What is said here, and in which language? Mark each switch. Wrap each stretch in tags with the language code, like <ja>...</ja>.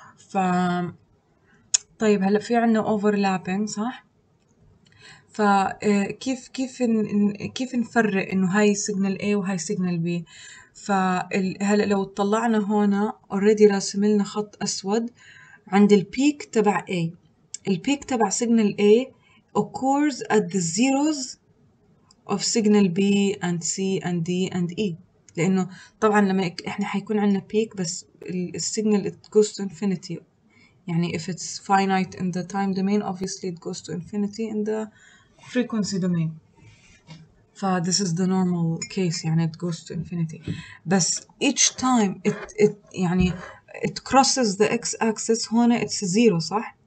<ar>ف طيب هلا في عندنا overlapping صح؟ فكيف نفرق إنه هاي سيجنال A وهاي سيجنال B؟ فهلا لو طلعنا هون already راسم لنا خط أسود عند البيك تبع A. البيك تبع</ar> <en>signal A occurs at the zeros of signal B and C and D and E.</en> <ar>لأنه طبعاً لما إحنا حيكون عندنا بيك بس</ar> <en>signal it goes to infinity. يعني if it's finite in the time domain, obviously it goes to infinity in the frequency domain. ف this is the normal case, يعني it goes to infinity. بس each time it يعني it crosses the x-axis, هون it's zero صح?</en>